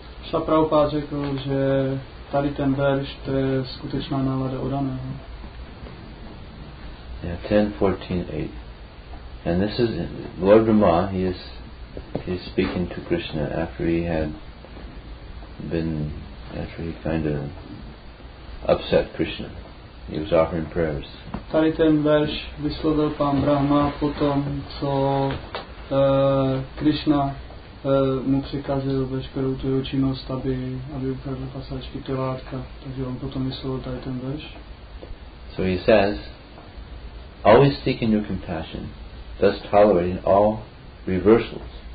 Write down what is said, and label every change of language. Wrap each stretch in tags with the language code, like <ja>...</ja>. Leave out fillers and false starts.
<cs>Srila Prabhupada řekl, že tady ten verš, to je skutečná nálada odaného.</cs> <en>Yeah, 10, 14, 8. And this is Lord Brahma, he is speaking to Krishna after he had been, after he kind of upset Krishna. He was offering prayers.</en> <cs>Tady ten verš vyslovil pán Brahma po tom, co Krishna mu přikazil veškerou tu jeho činnost, aby upravil pasáčky Tilátka. Takže on potom vyslovil tady ten verš.</cs> <en>So he says, always seeking your compassion, thus tolerating all reversals.</en>